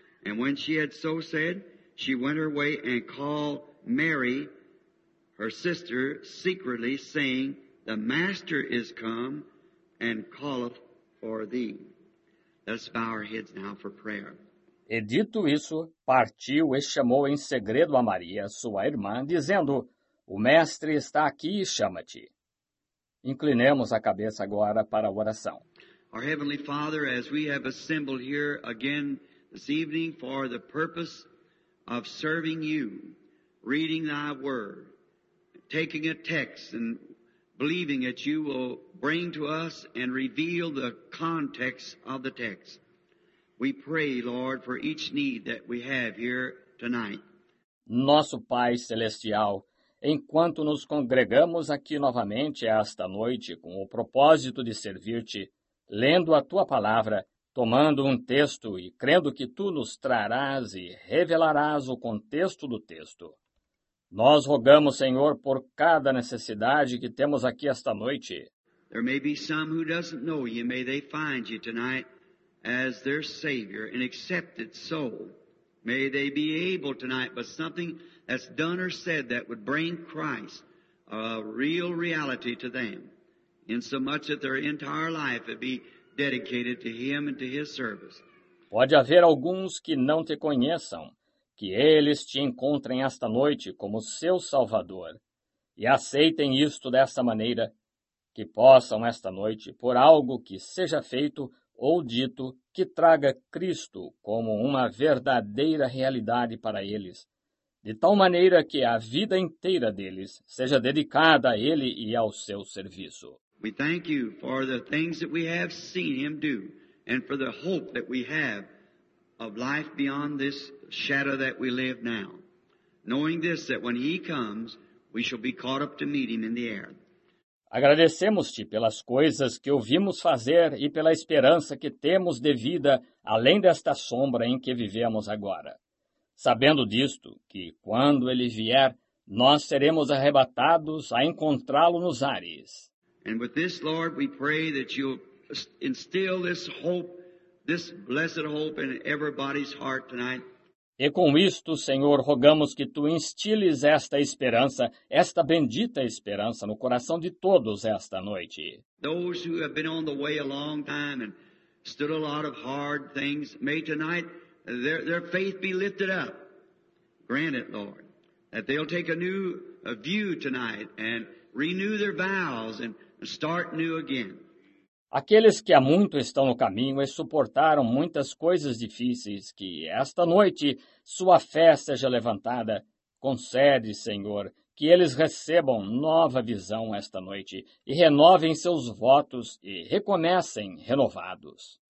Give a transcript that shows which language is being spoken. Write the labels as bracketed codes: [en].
[en] And when she had so said, she went her way and called Mary, her sister, secretly, saying, The Master is come and calleth for thee. Let's bow our heads now for prayer. [pt] E dito isso, partiu e chamou em segredo a Maria, sua irmã, dizendo, O Mestre está aqui e chama-te. Inclinemos a cabeça agora para a oração. [en] Our Heavenly Father, as we have assembled here again this evening for the purpose of serving you, reading thy word, taking a text and believing that you will bring to us and reveal the context of the text, we pray, Lord, for each need that we have here tonight. [pt] Nosso Pai Celestial, enquanto nos congregamos aqui novamente esta noite com o propósito de servir-te, lendo a tua palavra, tomando um texto e crendo que tu nos trarás e revelarás o contexto do texto. Nós rogamos, Senhor, por cada necessidade que temos aqui esta noite. [en] There may be some who doesn't know you. May they find you tonight as their Savior and accepted soul. May they be able tonight, but something that's done or said that would bring Christ a real reality to them, insomuch that their entire life would be dedicated to Him and to His service. [pt] Pode haver alguns que não te conheçam, que eles te encontrem esta noite como seu Salvador, e aceitem isto desta maneira, que possam esta noite, por algo que seja feito ou dito, que traga Cristo como uma verdadeira realidade para eles, de tal maneira que a vida inteira deles seja dedicada a ele e ao seu serviço. [en] We thank you for the things that we have seen him do and for the hope that we have of life beyond this shadow that we live now. Knowing this, that when he comes, we shall be caught up to meet him in the air. [pt] Agradecemos-te pelas coisas que ouvimos fazer e pela esperança que temos de vida além desta sombra em que vivemos agora. Sabendo disto, que quando ele vier, nós seremos arrebatados a encontrá-lo nos ares. [en] And with this, Lord, we pray that you'll instill this hope, this blessed hope in everybody's heart tonight. [pt] E com isto, Senhor, rogamos que Tu instiles esta esperança, esta bendita esperança, no coração de todos esta noite. [en] Those who have been on the way a long time and stood a lot of hard things, may tonight their faith be lifted up. Grant it, Lord, that they'll take a new view tonight and renew their vows and start new again. [pt] Aqueles que há muito estão no caminho e suportaram muitas coisas difíceis, que esta noite sua fé seja levantada. Concede, Senhor, que eles recebam nova visão esta noite e renovem seus votos e recomecem renovados.